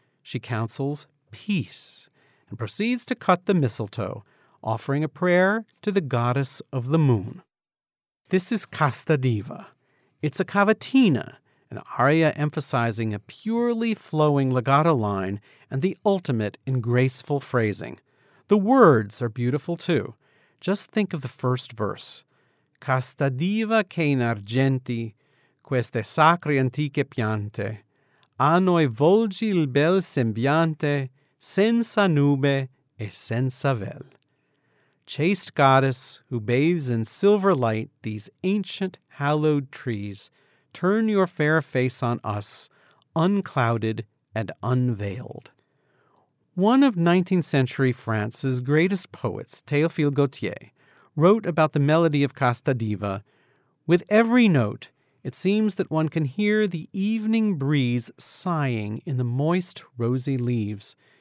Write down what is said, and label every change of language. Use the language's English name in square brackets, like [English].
[English] She counsels peace and proceeds to cut the mistletoe, offering a prayer to the goddess of the moon. This is Casta Diva. It's a cavatina, an aria emphasizing a purely flowing legato line and the ultimate in graceful phrasing. The words are beautiful, too. Just think of the first verse. [Italian] Casta diva che in argenti queste sacre antiche piante a noi volgi il bel sembiante senza nube e senza vel. [English] Chaste goddess who bathes in silver light these ancient hallowed trees, turn your fair face on us, unclouded and unveiled. One of 19th century France's greatest poets, Théophile Gautier, wrote about the melody of Casta Diva, "With every note, it seems that one can hear the evening breeze sighing in the moist, rosy leaves.